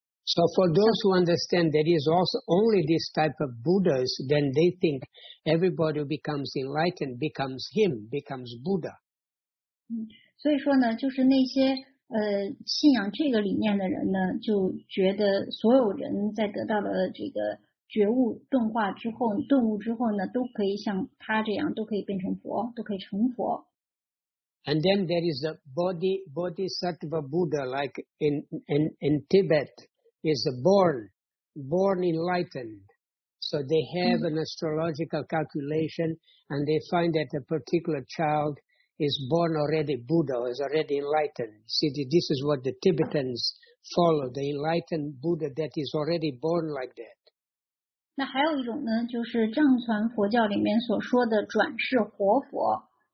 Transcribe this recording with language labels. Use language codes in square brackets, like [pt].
[en] So for those who understand there is also only this type of Buddhas, then they think everybody who becomes enlightened becomes him, becomes Buddha. [zh] 所以说呢，就是那些信仰这个理念的人呢，就觉得所有人在得到了这个觉悟顿化之后，顿悟之后呢，都可以像他这样，都可以变成佛，都可以成佛。 [en] And then there is a bodhisattva Buddha, like in Tibet, is born enlightened. So they have an astrological calculation, and they find that a particular child is born already Buddha, is already enlightened. See, this is what the Tibetans follow, the enlightened Buddha that is already born like that. [zh] 那还有一种呢，就是藏传佛教里面所说的转世活佛。